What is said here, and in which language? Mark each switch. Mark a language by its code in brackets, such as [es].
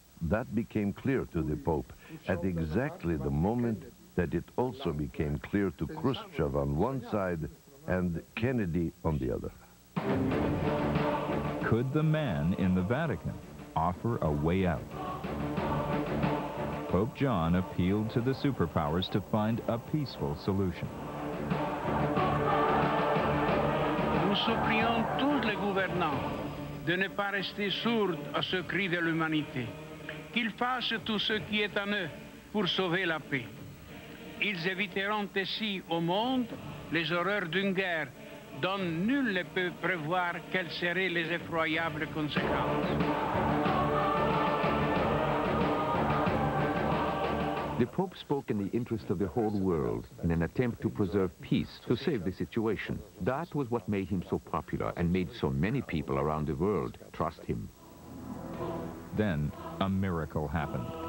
[en] That became clear to the Pope at exactly the moment that it also became clear to Khrushchev on one side and Kennedy on the other. Could the man in the Vatican offer a way out? Pope John appealed to the superpowers to find a peaceful solution. [fr] Nous supplions tous les gouvernants de ne pas rester sourds à ce cri de l'humanité, qu'ils fassent tout ce qui est en eux pour sauver la paix. Ils éviteront ainsi au monde les horreurs d'une guerre dont nul ne peut prévoir quelles seraient les effroyables conséquences. [en] The Pope spoke in the interest of the whole world in an attempt to preserve peace, to save the situation. That was what made him so popular and made so many people around the world trust him. Then a miracle happened.